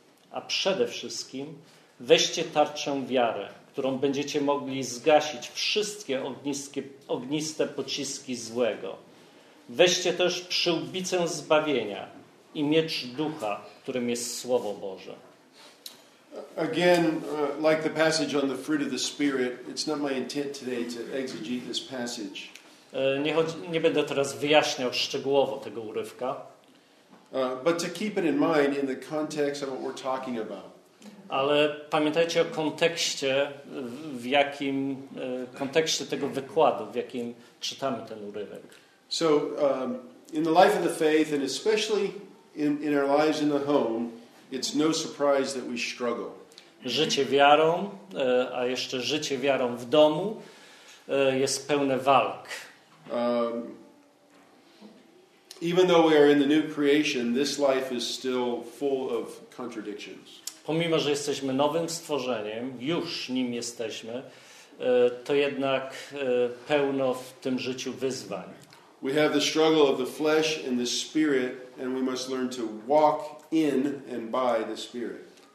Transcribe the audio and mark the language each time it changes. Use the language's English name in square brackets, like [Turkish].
[Polish] A przede wszystkim weźcie tarczę wiary, którą będziecie mogli zgasić wszystkie ogniste pociski złego. Weźcie też przyłbicę zbawienia i miecz ducha, którym jest Słowo Boże. [English] Again, like the passage on the fruit of the Spirit, it's not my intent today to exegete this passage. [Polish] Nie będę teraz wyjaśniał szczegółowo tego urywka. [English] But to keep it in mind in the context of what we're talking about. [Polish] Ale pamiętajcie o kontekście, w jakim kontekście tego wykładu, w jakim czytamy ten urywek. [English] So in the life of the faith and especially in our lives in the home, it's no surprise that we struggle. [Polish] Życie wiarą, a jeszcze życie wiarą w domu jest pełne walk. [English] Even though we are in the new creation, this life is still full of contradictions. [Polish] Pomimo, że jesteśmy nowym stworzeniem, już nim jesteśmy, to jednak pełno w tym życiu wyzwań. [English] We have the struggle of the flesh and the spirit, and we must learn to walk in and by the Spirit.